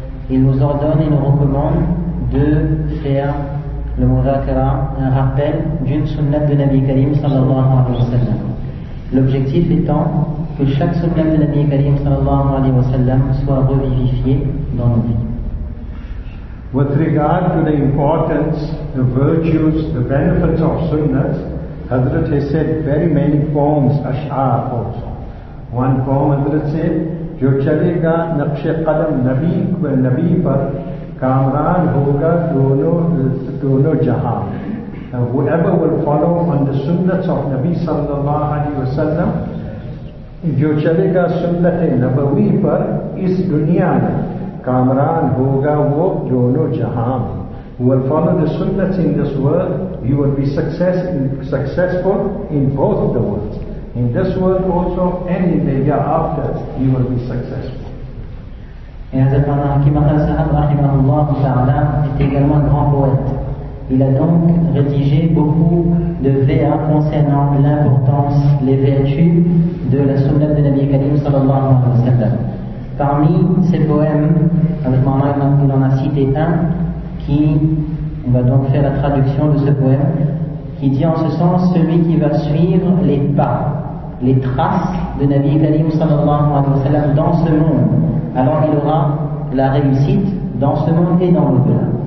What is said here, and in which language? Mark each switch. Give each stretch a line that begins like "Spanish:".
French: Il nous ordonne et nous recommande de faire le mudhakara, un rappel d'une sunnah de Nabi Karim sallallahu alayhi wa sallam. L'objectif étant que chaque sunnah de Nabi Karim sallallahu alayhi wa sallam soit revivifiée dans nos vies.
English: With regard to the importance, the virtues, the benefits of sunnahs, Hazrat has said very many poems, ash'ar also. One poem Hazrat said,
Urdu: جو چلے گا نقش قدم نبی و نبی پر کامران ہوگا دونوں جہاں.
English: Whoever will follow on the sunnats of Nabi sallallahu alayhi wa sallam,
Urdu: جو چلے گا سنت نبوی پر اس دنیا میں کامران ہوگا وہ دونوں جہاں.
English: Who will follow the sunnats in this world, he will be successful in both of the worlds. In this world also, and in the year after, he will be successful.
French: Et Hazrat Maulana Hakim al-Sahab, rahimahullah ta'ala, est également un grand poète. Il a donc rédigé beaucoup de vers concernant l'importance, les vertus de la sunnah de Nabi Karim sallallahu alayhi wa sallam. Parmi ces poèmes, Hazrat Maulana il en a cité un qui, on va donc faire la traduction de ce poème, qui dit en ce sens, celui qui va suivre les pas, les traces de Nabi Karim sallallahu alayhi wa sallam dans ce monde, alors il aura la réussite dans ce monde et dans l'au-delà.